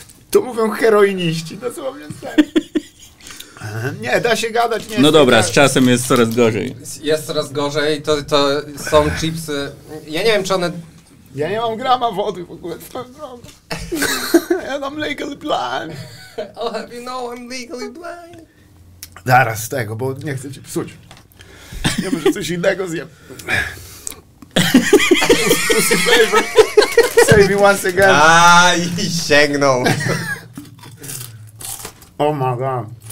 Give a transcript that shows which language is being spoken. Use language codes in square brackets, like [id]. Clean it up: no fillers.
[pl] To mówią heroiniści, to są mięsne. Nie, da się gadać, nie. No dobra, z czasem jest coraz gorzej. Jest coraz gorzej, to są chipsy, ja nie wiem, czy one... Ja nie mam grama wody w ogóle, co mam zrobić? Ja mam [en] legally blind. I'll have you know I'm legally blind. [pl] Zaraz z tego, bo nie chcę ci psuć. Ja może coś innego zjem. [en] Pussy flavor. Save me once again. [pl] Aj, i sięgnął. [en] Oh my god.